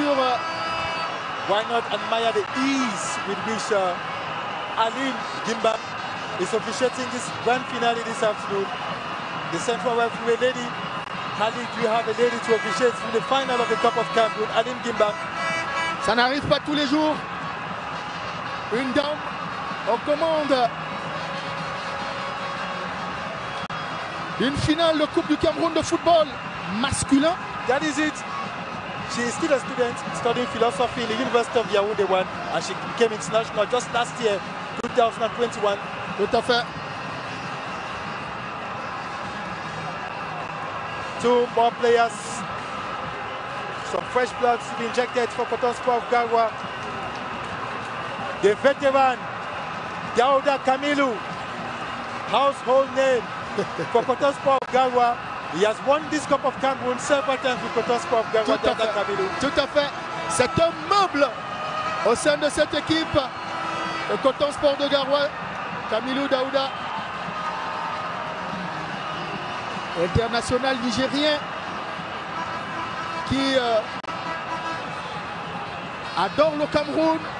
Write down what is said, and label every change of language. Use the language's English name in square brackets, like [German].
[English] Why not admire the ease with which Aline Gimba is officiating this grand finale this afternoon. The central referee lady, Ali, do you have a lady to officiate in the final of the Cup of Cameroon, Aline Gimba? [French] Ça n'arrive pas tous les jours. Une dame aux commandes d'une finale de Coupe du Cameroun de football masculin. [English] That is it. She is still a student studying philosophy in the University of Yaoundé 1, and she became international just last year, 2021. [French] Tout à fait. [English] Two more players. Some fresh blood to be injected for Coton Sport of Garoua. The veteran, Daouda Kamilou, household name for Coton Sport of Garoua. He has won this Cup of Cameroon several times with Coton Sport of Garoua. [French] Tout à fait. Kamilou. Tout à fait. C'est un meuble au sein de cette équipe, le Coton Sport de Garoua. Kamilou Daouda, international nigérien qui adore le Cameroun.